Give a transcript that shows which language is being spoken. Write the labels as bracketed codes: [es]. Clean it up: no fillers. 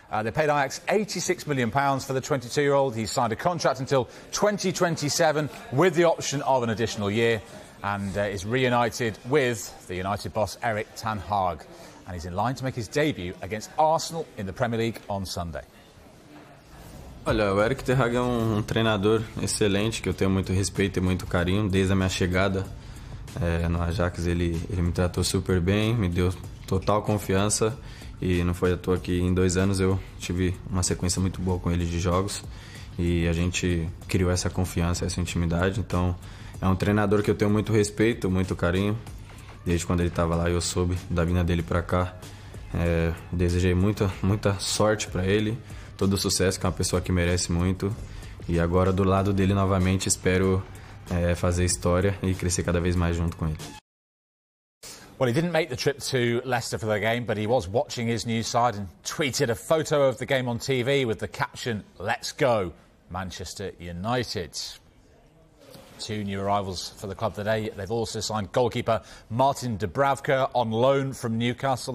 [en] They paid Ajax £86 million for the 22-year-old. He signed a contract until 2027 with the option of an additional year and is reunited with the United boss Erik ten Hag. And he's in line to make his debut against Arsenal in the Premier League on Sunday. [pt] Olha, o Erik ten Hag é um treinador excelente que eu tenho muito respeito e muito carinho desde a minha chegada no Ajax. Ele me tratou super bem, me deu total confiança e não foi à toa que em dois anos eu tive uma sequência muito boa com ele de jogos e a gente criou essa confiança, essa intimidade. Então, é um treinador que eu tenho muito respeito, muito carinho. Desde quando ele estava lá, eu soube da vinda dele para cá. Desejei muita sorte para ele, todo o sucesso, que é uma pessoa que merece muito. E agora, do lado dele novamente, espero fazer história e crescer cada vez mais junto com ele. [en] Well, he didn't make the trip to Leicester for the game, but he was watching his new side and tweeted a photo of the game on TV with the caption, "Let's go, Manchester United." two new arrivals for the club today. They've also signed goalkeeper Martin Dubravka on loan from Newcastle.